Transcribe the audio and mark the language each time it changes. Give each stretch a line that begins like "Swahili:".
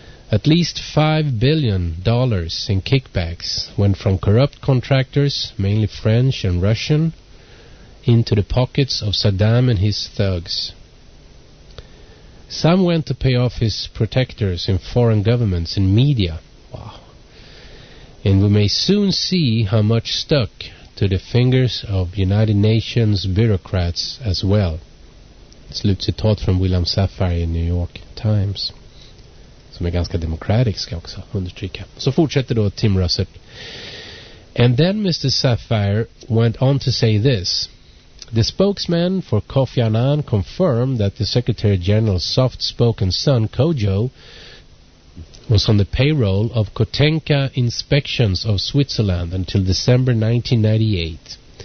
English: At least $5 billion in kickbacks went from corrupt contractors, mainly French and Russian, into the pockets of Saddam and his thugs. Some went to pay off his protectors in foreign governments and media. Wow. And we may soon see how much stuck to the fingers of United Nations bureaucrats as well.
Swedish: Slutcitat från William Sapphire i New York Times. Som är ganska demokratisk, ska jag också understryka. Så fortsätter då Tim Russert.
English: And then Mr. Sapphire went on to say this. The spokesman for Kofi Annan confirmed that the Secretary General's soft-spoken son, Kojo, was on the payroll of Kotenka Inspections of Switzerland until December 1998.